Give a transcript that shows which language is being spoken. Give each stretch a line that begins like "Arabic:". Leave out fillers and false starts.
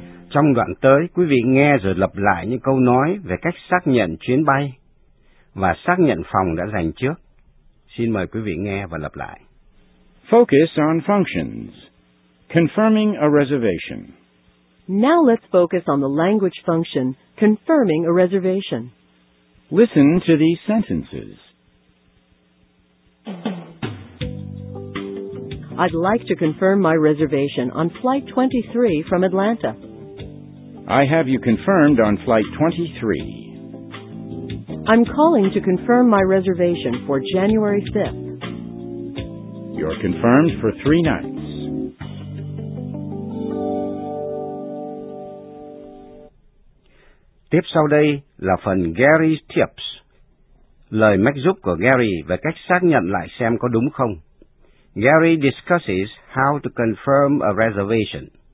Vietnamese: Trong đoạn tới, quý vị nghe rồi lặp lại những câu nói về cách xác nhận chuyến bay và xác nhận phòng đã dành trước. Xin mời quý vị nghe và lặp lại.
English: Focus on functions. Confirming a reservation. Now let's focus on the language function, confirming a reservation. Listen to these sentences. I'd like to confirm my reservation on flight 23 from Atlanta. I have you confirmed on flight 23. I'm calling to confirm my reservation for January 5th. You're confirmed for 3 nights.
Vietnamese: Tiếp sau đây là phần Gary's Tips, lời mách giúp của Gary về cách xác nhận lại xem có đúng không.
English: Gary discusses how to confirm a reservation.